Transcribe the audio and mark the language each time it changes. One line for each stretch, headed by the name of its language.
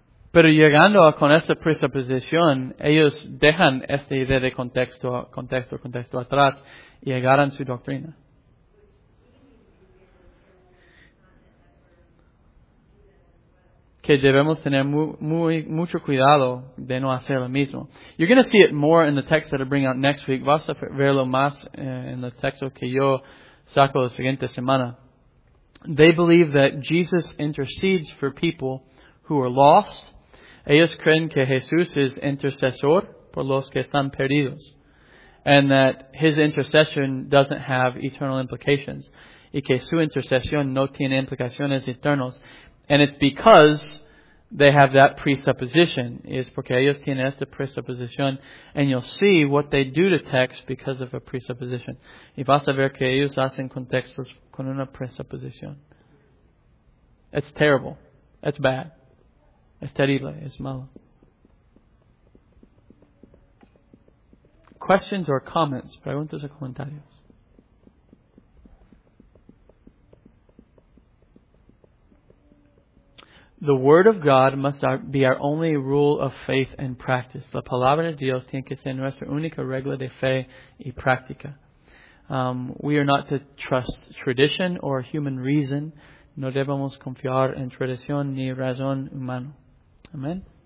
Spanish: Pero llegando con esta presuposición, ellos dejan esta idea de contexto, contexto, contexto atrás y agarran su doctrina. que debemos tener mucho cuidado de no hacer lo mismo.
English: You're going to see it more in the text that I bring out next week.
Spanish: Vas a verlo más en el texto que yo saco la siguiente semana.
English: They believe that Jesus intercedes for people who are lost.
Spanish: Ellos creen que Jesús es intercesor por los que están perdidos.
English: And that his intercession doesn't have eternal implications.
Spanish: Y que su intercesión no tiene implicaciones eternas.
English: And it's because they have that presupposition.
Spanish: Es porque ellos tienen esta presupposición.
English: And you'll see what they do to text because of a presupposition.
Spanish: Y vas a ver que ellos hacen contextos con una presupposición.
English: It's terrible. It's bad. It's terrible. It's malo. Questions or comments?
Spanish: Preguntas o comentarios?
English: The Word of God must be our only rule of faith and practice.
Spanish: La Palabra de Dios tiene que ser nuestra única regla de fe y práctica.
English: We are not to trust tradition or human reason.
Spanish: No debemos confiar en tradición ni razón humana. Amen.